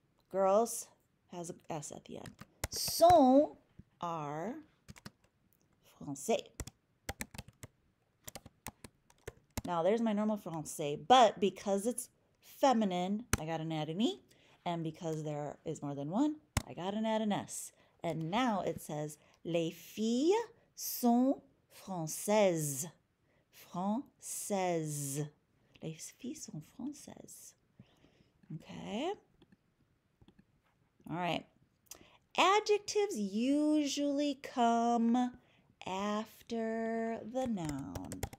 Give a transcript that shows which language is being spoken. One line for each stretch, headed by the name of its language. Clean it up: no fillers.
English: Girls has an S at the end. Sont are français. Now, there's my normal français, but because it's feminine, I got an add an E, and because there is more than one, I got an add an S. And now it says,
French: les filles sont françaises. Françaises. Les filles sont françaises.
English: Okay. All right. Adjectives usually come after the noun.